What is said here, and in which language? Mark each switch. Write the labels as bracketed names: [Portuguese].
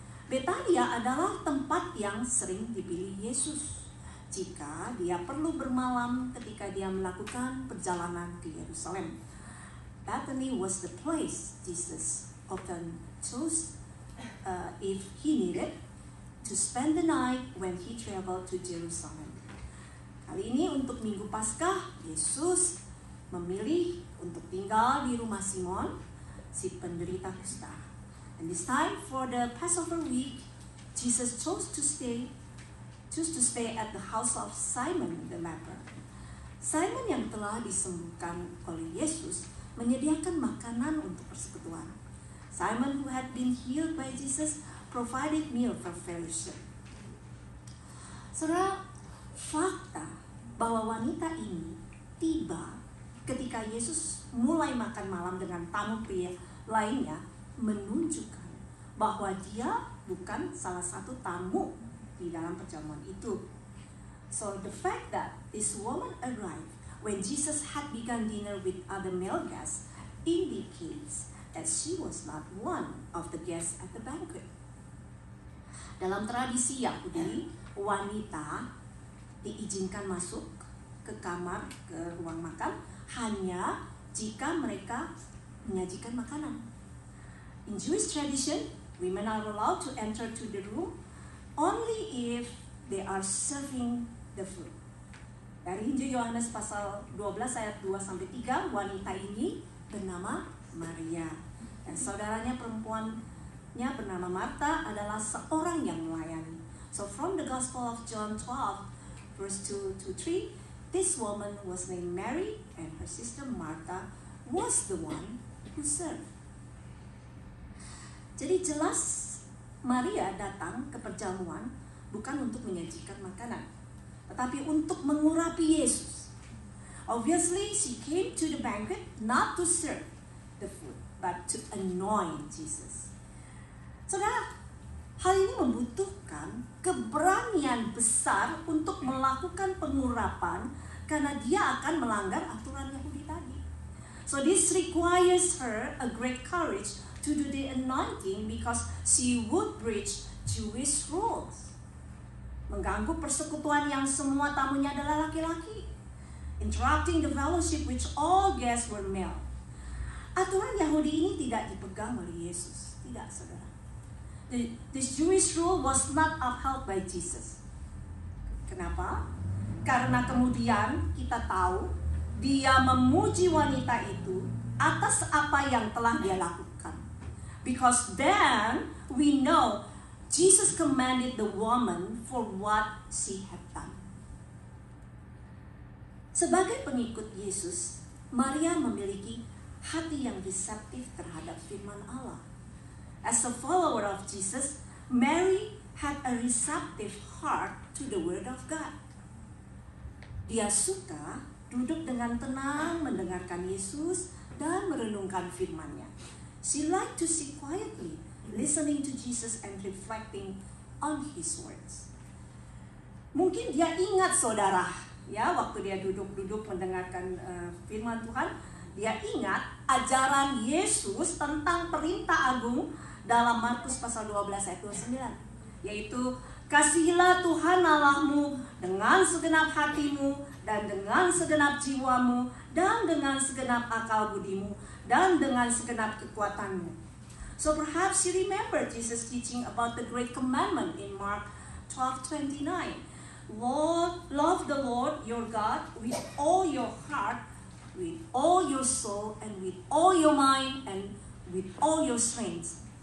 [Indonesian] Betania adalah tempat yang sering dipilih Yesus jika dia perlu bermalam ketika dia melakukan perjalanan ke Yerusalem. [English] Betania was the place Jesus often chose if he needed to spend the night when he traveled to Jerusalem. [Indonesian] Kali ini untuk Minggu Paskah, Yesus memilih untuk tinggal di rumah Simon, si penderita kusta. [English] And this time for the Passover week, Jesus chose to stay at the house of Simon the leper. [Indonesian] Simon yang telah disembuhkan oleh Yesus menyediakan makanan untuk persekutuan. [English] Simon who had been healed by Jesus provided meal for fellowship. [Indonesian] Saudara, fakta bahwa wanita ini tiba ketika Yesus mulai makan malam dengan tamu pria lainnya menunjukkan bahwa dia bukan salah satu tamu di dalam perjamuan itu. [English] So the fact that this woman arrived when Jesus had begun dinner with other male guests indicates that she was not one of the guests at the banquet. [Indonesian] Dalam tradisi Yahudi, wanita diizinkan masuk ke kamar, ke ruang makan, hanya jika mereka menyajikan makanan. [English] In Jewish tradition, women are allowed to enter to the room only if they are serving the food. [Indonesian] Dari Injil Yohanes pasal 12 ayat 2-3, wanita ini bernama Maria. dan saudaranya perempuannya bernama Martha adalah seorang yang melayani. [English] So from the Gospel of John 12, verse 2 to 3, this woman was named Mary, and her sister Martha was the one who served. [Indonesian] Jadi jelas Maria datang ke perjamuan bukan untuk menyajikan makanan, tetapi untuk mengurapi Yesus. [English] Obviously, she came to the banquet not to serve the food, but to anoint Jesus. [Indonesian] Saudara, hal ini membutuhkan keberanian besar untuk melakukan pengurapan karena dia akan melanggar aturan Yahudi tadi. [English] So this requires her a great courage to do the anointing because she would breach Jewish rules. [Indonesian] Mengganggu persekutuan yang semua tamunya adalah laki-laki. [English] Interrupting the fellowship which all guests were male. [Indonesian] Aturan Yahudi ini tidak dipegang oleh Yesus. Tidak, saudara. [English] This Jewish rule was not upheld by Jesus. [Indonesian] Kenapa? Karena kemudian kita tahu dia memuji wanita itu atas apa yang telah dia lakukan. [English] Because then we know Jesus commended the woman for what she had done. [Indonesian] Sebagai pengikut Yesus, Maria memiliki hati yang reseptif terhadap firman Allah. [English] As a follower of Jesus, Mary had a receptive heart to the word of God. [Indonesian] Dia suka duduk dengan tenang mendengarkan Yesus dan merenungkan firman-Nya. [English] She liked to sit quietly listening to Jesus and reflecting on his words. [Indonesian] Mungkin dia ingat, saudara, ya, waktu dia duduk-duduk mendengarkan firman Tuhan, dia ingat ajaran Yesus tentang perintah agung dalam Markus pasal 12 ayat 29, yaitu kasihilah Tuhan Allahmu dengan segenap hatimu dan dengan segenap jiwamu dan dengan segenap akal budimu dan dengan segenap kekuatanmu. [English] So perhaps you remember Jesus teaching about the great commandment in Mark 12:29. Lord, love the Lord your God with all your heart, with all your soul, and with all your mind, and with all your strength.